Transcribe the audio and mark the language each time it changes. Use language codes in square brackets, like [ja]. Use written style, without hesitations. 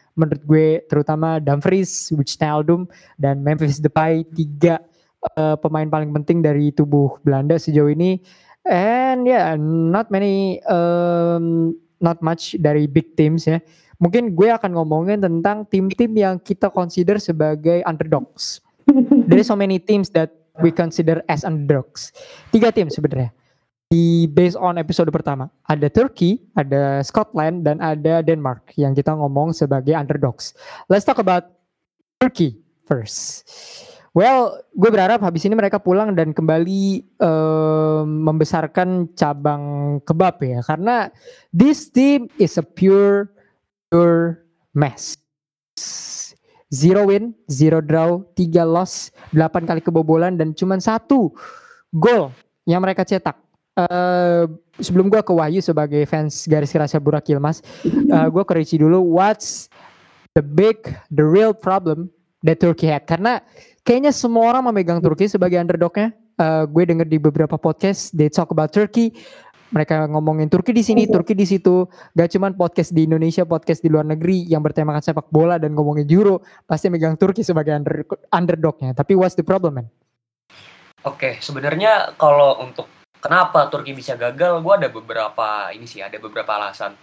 [id] Menurut gue terutama Dumfries, Wijnaldum, dan Memphis Depay, tiga pemain paling penting dari tubuh Belanda sejauh ini. [en] And yeah, not much dari big teams ya. [id] Mungkin gue akan ngomongin tentang tim-tim yang kita consider sebagai underdogs. [en] There is so many teams that we consider as underdogs. [id] Tiga tim sebenarnya. Di based on episode pertama, ada Turkey, ada Scotland, dan ada Denmark yang kita ngomong sebagai underdogs. [en] Let's talk about Turkey first. Well, [id] gue berharap habis ini mereka pulang dan kembali membesarkan cabang kebab ya. Karena [en] this team is a pure mess. Zero win, zero draw, [id] tiga loss, 8 kali kebobolan, dan cuma satu gol yang mereka cetak. Sebelum gue ke Wahyu sebagai fans garis kerasnya Burak Yilmaz, gue ke Richie dulu, [en] what's the real problem that Turkey had? [id] Karena kayaknya semua orang memegang Turkey sebagai underdognya. Gue denger di beberapa podcast, [en] they talk about Turkey. [id] Mereka ngomongin Turki di sini, Turki di situ. Gak cuman podcast di Indonesia, podcast di luar negeri yang bertemakan sepak bola dan ngomongin Euro, pasti megang Turki sebagai underdognya. Tapi [en] what's the problem, man? [id] Oke, sebenarnya kalau untuk kenapa Turki bisa gagal, gue ada beberapa ini sih, ada beberapa alasan.